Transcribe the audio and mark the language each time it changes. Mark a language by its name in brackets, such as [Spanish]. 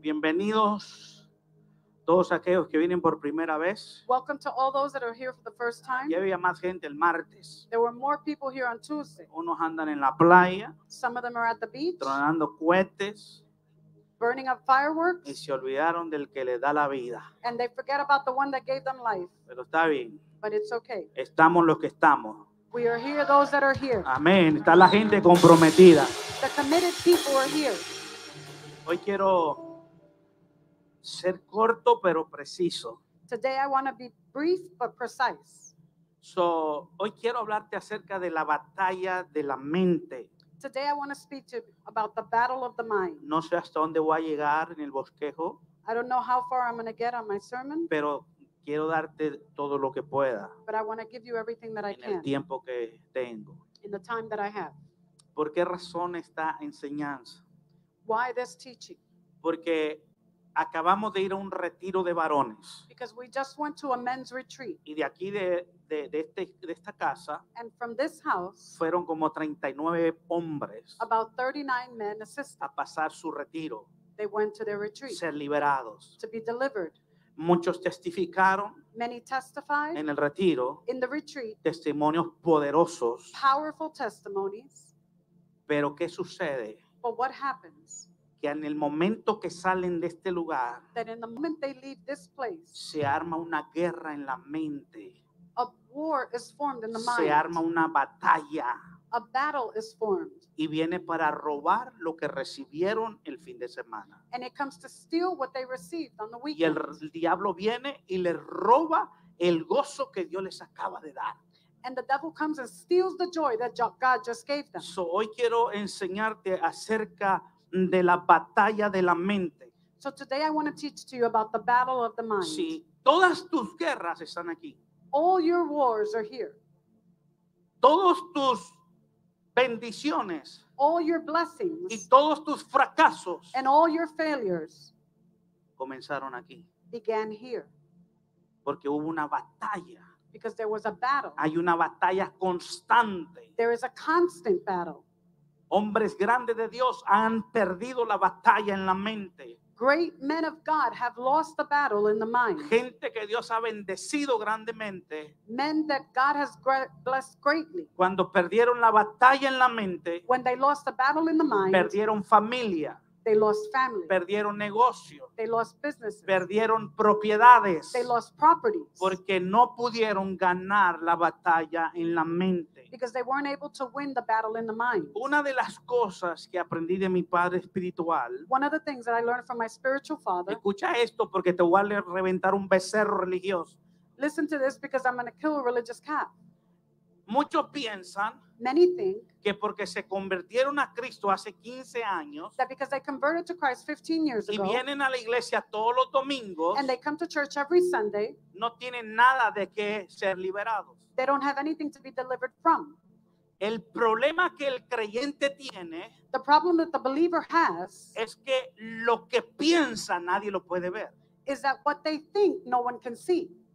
[Spanish] Bienvenidos todos aquellos que vienen por primera vez. [English] Welcome to all those that are here for the first time. [Spanish] Ya había más gente el martes. [English] There were more people here on Tuesday. [Spanish] Unos andan en la playa. [English] Some of them are at the beach. [Spanish] Tronando cohetes. [English] Burning up fireworks. [Spanish] Y se olvidaron del que les da la vida. [English] And they forget about the one that gave them life. [Spanish] Pero está bien. [English] But it's okay. [Spanish] Estamos los que estamos. [English] We are here, those that are here. [Spanish] Amén. Está la gente comprometida. [English] The committed people are here. [Spanish] Hoy quiero ser corto pero preciso. [English] Today I want to be brief but precise. [Spanish] So, hoy quiero hablarte acerca de la batalla de la mente. [English] Today I want to speak to you about the battle of the mind. [Spanish] No sé hasta dónde voy a llegar en el bosquejo. [English] I don't know how far I'm going to get on my sermon. [Spanish] Pero quiero darte todo lo que pueda. [English] But I want to give you everything that I can. [Spanish] En el tiempo que tengo. [English] In the time that I have. [Spanish] ¿Por qué razón esta enseñanza? [English] Why this teaching? [Spanish] Porque acabamos de ir a un retiro de varones. [English] Because we just went to a men's retreat. [Spanish] Y de aquí de esta casa. [English] And from this house. [Spanish] Fueron como 39 hombres. [English] About 39 men assisted. [Spanish] A pasar su retiro. [English] They went to their retreat. [Spanish] Ser liberados. [English] To be delivered. [Spanish] Muchos testificaron. [English] Many testified. [Spanish] En el retiro. [English] In the retreat. [Spanish] Testimonios poderosos. [English] Powerful testimonies. [Spanish] Pero ¿qué sucede? [English] But what happens? [Spanish] Que en el momento que salen de este lugar, [English] that in the moment they leave this place, [Spanish] se arma una guerra en la mente. [English] A war is formed in the mind. [Spanish] Se arma una batalla. [English] A battle is formed. [Spanish] Y viene para robar lo que recibieron el fin de semana. [English] And it comes to steal what they received on the weekend. [Spanish] Y el diablo viene y le roba el gozo que Dios les acaba de dar. [English] And the devil comes and steals the joy that God just gave them. [Spanish] So hoy quiero enseñarte acerca de la batalla de la mente. [English] So today I want to teach to you about the battle of the mind. [Spanish] Sí, todas tus guerras están aquí. [English] All your wars are here. [Spanish] Todos tus bendiciones. [English] All your blessings. [Spanish] Y todos tus fracasos. [English] And all your failures. [Spanish] Comenzaron aquí. [English] Began here. [Spanish] Porque hubo una batalla. [English] Because there was a battle. [Spanish] Hay una batalla constante. [English] There is a constant battle. [Spanish] Hombres grandes de Dios han perdido la batalla en la mente. [English] Great men of God have lost the battle in the mind. [Spanish] Gente que Dios ha bendecido grandemente. [English] Men that God has blessed greatly. [Spanish] Cuando perdieron la batalla en la mente. [English] When they lost the battle in the mind. [Spanish] Perdieron familia. [English] They lost family. [Spanish] Perdieron negocio. [English] They lost businesses. [Spanish] Perdieron propiedades. [English] They lost properties. [Spanish] Porque no pudieron ganar la batalla en la mente. [English] Because they weren't able to win the battle in the mind. [Spanish] Una de las cosas que aprendí de mi padre espiritual. [English] One of the things that I learned from my spiritual father. [Spanish] Escucha esto porque te voy a reventar un becerro religioso. [English] Listen to this because I'm going to kill a religious cat. [Spanish] Muchos piensan. [English] Many think. [Spanish] Que porque se convirtieron a Cristo hace 15 años. [English] That because they converted to Christ 15 years ago. [Spanish] Y vienen a la iglesia todos los domingos. [English] And they come to church every Sunday. [Spanish] No tienen nada de qué ser liberados. [English] They don't have anything to be delivered from. [Spanish] El problema que el creyente tiene. [English] The problem that the believer has. [Spanish] Es que lo que piensa nadie lo puede ver. [English] Is that what they think no one can see.